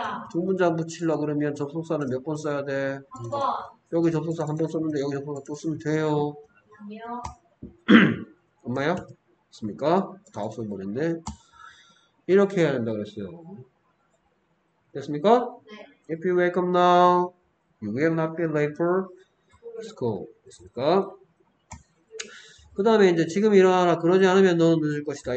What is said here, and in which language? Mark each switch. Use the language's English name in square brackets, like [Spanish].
[Korean] 두 문장 붙이려고 그러면 접속사는 몇 번 써야 돼? 한 번. 여기 접속사 한 번 썼는데 여기 접속사 또 쓰면 돼요. 아니요. 엄마요? 있습니까? 다 없어버렸네. 이렇게 해야 된다 그랬어요. 됐습니까? 네. [English] If you wake up now, you will not be late for school. [Korean] 됐습니까? 그 다음에 이제 지금 일어나라. 그러지 않으면 너는 늦을 것이다.